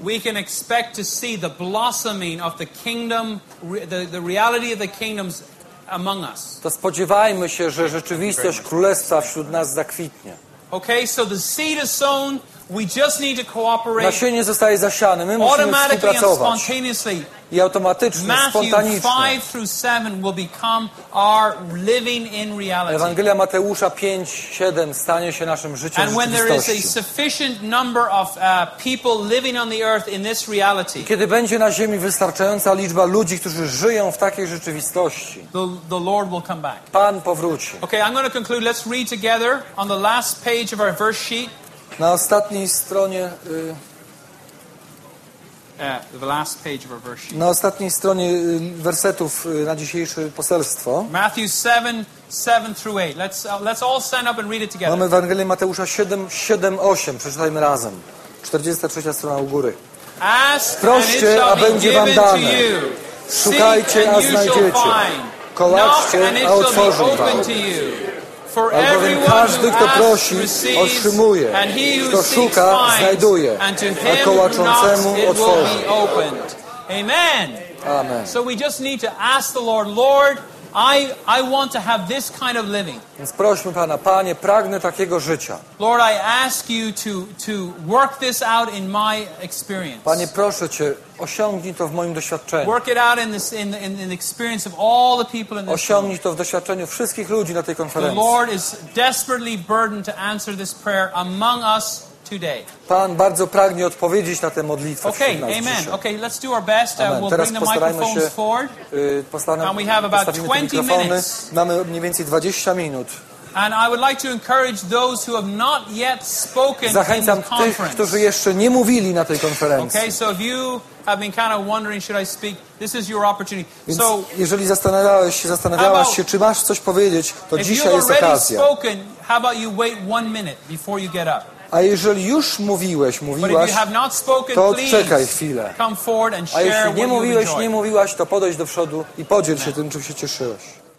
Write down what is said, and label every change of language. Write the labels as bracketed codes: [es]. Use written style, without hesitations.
[en] we can expect to see the blossoming of the kingdom, the reality of the kingdoms among us. [pl] To spodziewajmy się, że rzeczywistość Królestwa wśród nas zakwitnie. [en] Okay, so the seed is sown. We just need to cooperate. [pl] Nasienie zostaje zasiane. My musimy współpracować. [en] Spontaneously. [pl] I automatycznie, spontanicznie. [en] Matthew 5 through 7 will become our living in reality. [pl] Ewangelia Mateusza 5, 7 stanie się naszym życiem w rzeczywistości. [en] And when there is a sufficient number of people living on the earth in this reality. [pl] I kiedy będzie na ziemi wystarczająca liczba ludzi, którzy żyją w takiej rzeczywistości. [en] The Lord will come back. [pl] Pan powróci. [en] Okay, I'm going to conclude. Let's read together on the last page of our verse sheet. [pl] Na ostatniej stronie [en] the last page of our verse sheet. [pl] Na ostatniej stronie wersetów na dzisiejsze poselstwo. [en] Matthew 7:7 through 8. Let's all stand up and read it together. [pl] Mamy Ewangelię Mateusza 7:7-8. Przeczytajmy razem. 43 strona u góry. Proście, a będzie wam dane. Szukajcie, a znajdziecie. Kołaczcie, a otworzy wam. Albowiem każdy, kto prosi, otrzymuje. Kto szuka, znajduje. A kołaczącemu otworzy. Amen. Amen. [en] So we just need to ask the Lord, Lord, I want to have this kind of living. [pl] Więc prośmy Pana, Panie, pragnę takiego życia. [en] Lord, I ask you to work this out in my experience. [pl] Panie, proszę Cię, osiągnij to w moim doświadczeniu. [en] Work it out in the experience of all the people in this. [pl] Osiągnij to w doświadczeniu wszystkich ludzi na tej konferencji. [en] The Lord is desperately burdened to answer this prayer among us today. [pl] Pan bardzo pragnie odpowiedzieć na tę modlitwę. [en] Okay, amen. [pl] Dzisiaj. [en] Okay, let's do our best. We'll [pl] teraz [en] bring the microphones [pl] się, [en] forward. And we have about 20 minutes. [pl] Mamy mniej więcej 20 minut. [en] And I would like to encourage those who have not yet spoken in the conference. [pl] Zachęcam tych, którzy jeszcze nie mówili na tej konferencji. [en] Okay, so if you have been kind of wondering, should I speak? This is your opportunity. [pl] Więc [en] so, [pl] jeżeli zastanawiałaś się, czy masz coś powiedzieć, to dzisiaj jest okazja. [en] If you've already spoken, how about you wait 1 minute before you get up? [pl] A jeżeli już mówiłaś, to czekaj chwilę. A jeśli nie mówiłeś, to podejdź do przodu i podziel się tym, czym się cieszyłeś.